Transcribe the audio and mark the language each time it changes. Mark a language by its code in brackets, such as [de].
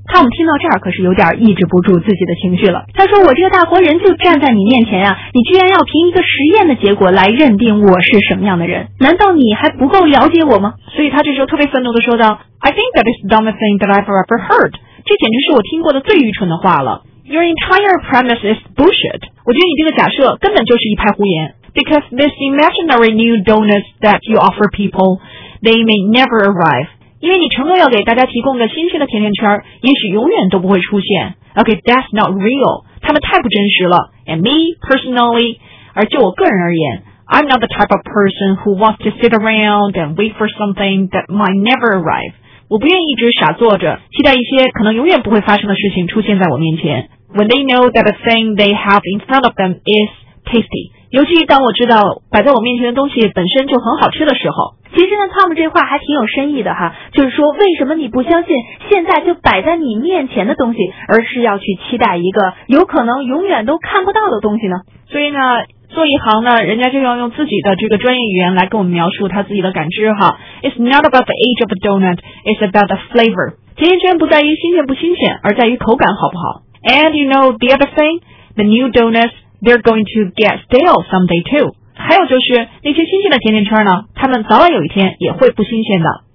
[zh] Tom 听到这儿可是有点抑制不住自己的情绪了，他说，我这个大活人就站在你面前啊，你居然要凭一个实验的结果来认定我是什么样的人，难道你还不够了解我吗？所以他这时候特别愤怒地说道， [en] I think that is the dumbest thing that I've ever heard. [zh] 这简直是我听过的最愚蠢的话了。 [en] Your entire premise is bullshit. [zh] 我觉得你这个假设根本就是一派胡言。 [en] Because this imaginary new donuts that you offer people, they may never arrive. [zh] 因为你承诺要给大家提供的新鲜的甜甜圈也许永远都不会出现。 [en] Okay, that's not real. [zh] 他们太不真实了。 [en] And me, personally, [zh] 而就我个人而言， [en] I'm not the type of person who wants to sit around and wait for something that might never arrive. [zh] 我不愿意一直傻坐着，期待一些可能永远不会发生的事情出现在我面前。 [en] When they know that the thing they have in front of them is tasty. [zh] 尤其当我知道摆在我面前的东西本身就很好吃的时候。其实呢 Tom 这话还挺有深意的哈，就是说为什么你不相信现在就摆在你面前的东西，而是要去期待一个有可能永远都看不到的东西呢？所以呢做一行呢，人家就要用自己的这个专业语言来跟我们描述他自己的感知哈。 [en] It's not about the age of a donut, it's about the flavor. [zh] 甜甜圈不在于新鲜不新鲜，而在于口感好不好。 [en] And you know the other thing, the new donutsThey're going to get stale someday too. [zh] 还有就是那些新鲜的甜甜圈呢，他们早晚有一天也会不新鲜的。